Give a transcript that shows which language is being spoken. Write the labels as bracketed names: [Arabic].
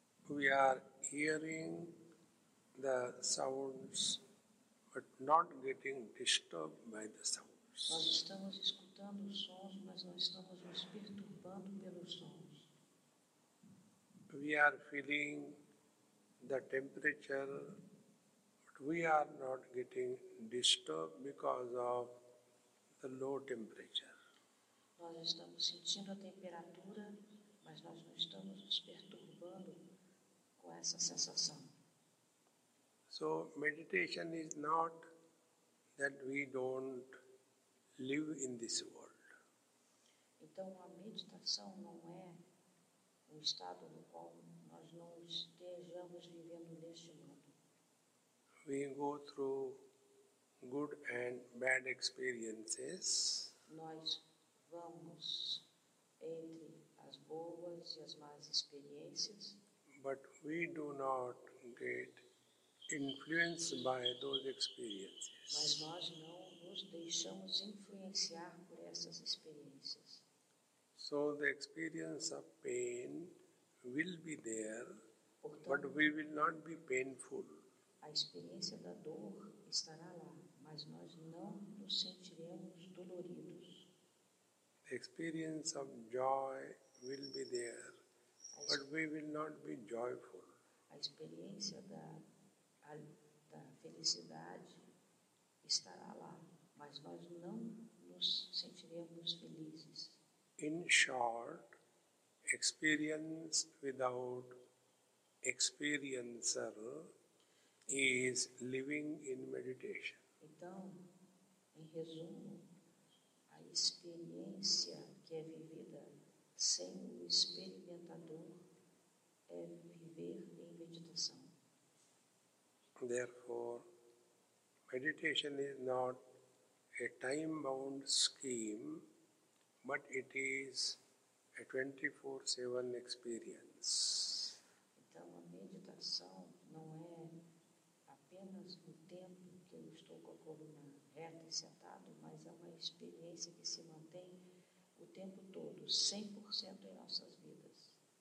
[English] We are hearing the sounds, but not getting disturbed by the sounds. [Portuguese] Nós estamos escutando os sons, mas não estamos nos perturbando pelos sons. [English] We are feeling the temperature, but we are not getting disturbed because of the low temperature. [Portuguese] Nós estamos sentindo a temperatura, mas nós não estamos nos perturbando com essa sensação. [English] So meditation is not that we don't live in this world. [Portuguese] Então a meditação não é um estado no qual nós não estejamos vivendo neste mundo. [English] We go through good and bad experiences. [Portuguese] Nós vamos entre as boas e as más experiências. [English] But we do not get influenced by those experiences. [Portuguese] Mas nós não nos deixamos influenciar por essas experiências. [English] So the experience of pain will be there, [Portuguese] portanto, [English] but we will not be painful. [Portuguese] A experiência da dor estará lá, mas nós não nos sentiremos doloridos. [English] The experience of joy will be there, but we will not be joyful. [Portuguese] A experiência da felicidade estará lá, mas nós não nos sentiremos felizes. [English] In short, experience without experiencer is living in meditation. [Portuguese] Então, em resumo, a experiência que é vivida sem o experimentador é viver em meditação. [English] Therefore, meditation is not a time-bound scheme, but it is a 24/7 experience. [Portuguese] Então, a meditação não é apenas o tempo que eu estou com a coluna reta e sentado, mas é uma experiência que se mantém o tempo todo, 100% em nossas vidas.